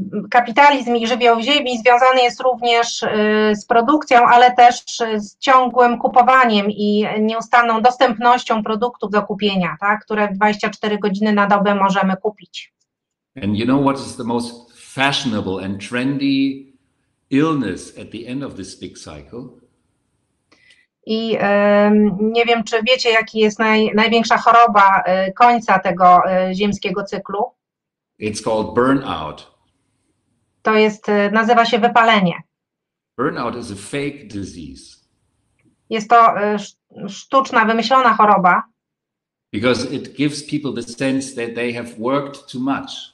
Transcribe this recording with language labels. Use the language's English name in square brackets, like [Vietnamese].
[Polish] Kapitalizm i żywioł ziemi związany jest również z produkcją, ale też z ciągłym kupowaniem i nieustanną dostępnością produktów do kupienia, tak, które 24 godziny na dobę możemy kupić. [English] And you know what is the most fashionable and trendy illness at the end of this big cycle? [Polish] I nie wiem, czy wiecie, jaki jest największa choroba końca tego ziemskiego cyklu. [English] It's called burnout. [Polish] To jest, nazywa się wypalenie. [English] Burnout is a fake disease. [Polish] Jest to sztuczna, wymyślona choroba. [English] Because it gives people the sense that they have worked too much.